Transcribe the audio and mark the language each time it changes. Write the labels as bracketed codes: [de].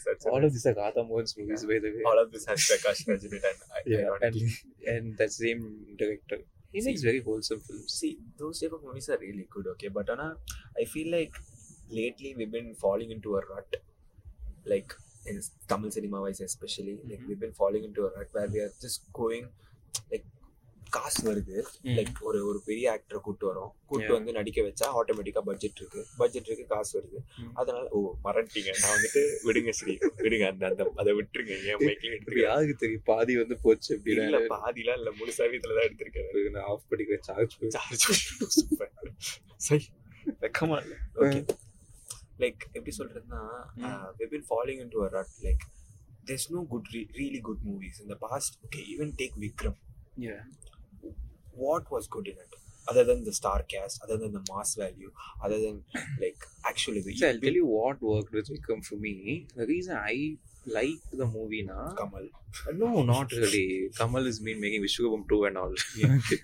[en] All of these are Gatha Mohan's movies, by the way. All of this has Prakash Rajendran and and that same director. He makes very wholesome films. See, those type of movies are really good, okay? But Anna, I feel like lately we've been falling into a rut, like in Tamil cinema wise, especially. Mm-hmm. Like, we've been falling into a rut where we are just going, like, [ta] காசு வருது like ஒரு ஒரு பெரிய ஆக்டரை கூப்பிட்டு வரும் கூப்பிட்டு வந்து நடிக்க வச்சா ஆட்டோமேட்டிக்காக பட்ஜெட் இருக்கு காசு வருது அதனால ஓ மறந்துட்டீங்க நான் வந்துட்டு விடுங்க சரி விடுங்க அந்த அதை விட்டுருங்க ஏன் மைக்கிங் எடுத்துருக்கு தெரியும் பாதி வந்து போச்சு அப்படின்னு இல்லை பாதிலாம் இல்லை முழு சவீதத்தில் தான் எடுத்திருக்கேன் நான் ஆஃப் பண்ணிக்கிற சார்ஜ் சூப்பர் சரி வெக்கமாக [en] like [ta] எப்படி சொல்றதுன்னா [en] We been following into a rut like there's no good really good movies in the past okay even take Vikram Yeah. What was good in it? Other than the star cast, other than the mass value, other than like actually the... So I'll tell you what worked with Vikram for me. The reason I liked the movie na... Kamal. No, not really. Kamal is mean making Vishwakarma 2 and all. Yeah.